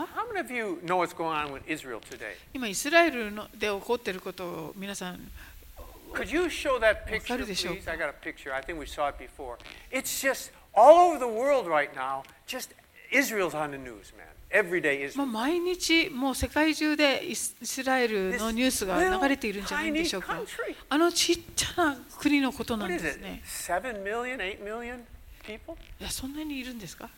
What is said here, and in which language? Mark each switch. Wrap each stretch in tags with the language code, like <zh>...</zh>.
<en>How many of you know what's going on with Israel today?</en> <ja>今イスラエルで起こっていることを皆さん、</ja> <en>Could you show that picture, please? I got a picture. I think we saw it before. It's just all over the world right now. Just Israel's on the news, man. Every day Israel.</en> <ja>もう毎日もう世界中でイスラエルのニュースが流れているんじゃないでしょうか。あのちっちゃな国のことなんですね。</ja> <en>7 million, 8 million people?</en> <ja>いやそんなにいるんですか。</ja>